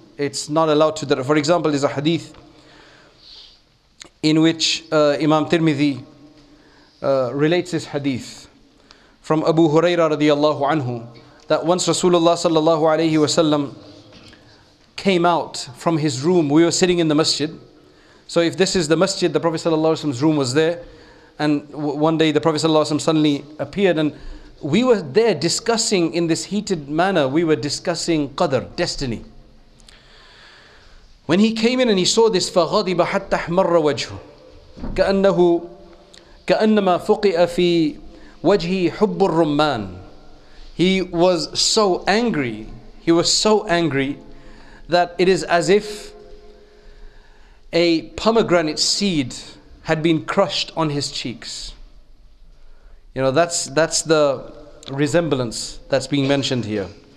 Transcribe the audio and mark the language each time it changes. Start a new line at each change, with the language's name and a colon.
English: It's not allowed to. For example, there's a hadith in which Imam Tirmidhi relates this hadith from Abu Huraira radiallahu anhu, that once Rasulullah sallallahu alayhi wasallam came out from his room. We were sitting in the masjid. So if this is the masjid, the Prophet sallallahu alayhi wasallam's room was there. And one day the Prophet sallallahu alayhi wasallam suddenly appeared, and we were there discussing in this heated manner. We were discussing Qadr, destiny. When he came in and he saw this,
Arabic: فَغَضِبَ حَتَّ أَحْمَرَّ وَجْهُ كَأَنَّهُ كَأَنَّمَا فُقِئَ فِي وَجْهِ حُبُّ الرُّمَّانِ.
English: He was so angry. He was so angry that it is as if a pomegranate seed had been crushed on his cheeks. You know, that's the resemblance that's being mentioned here.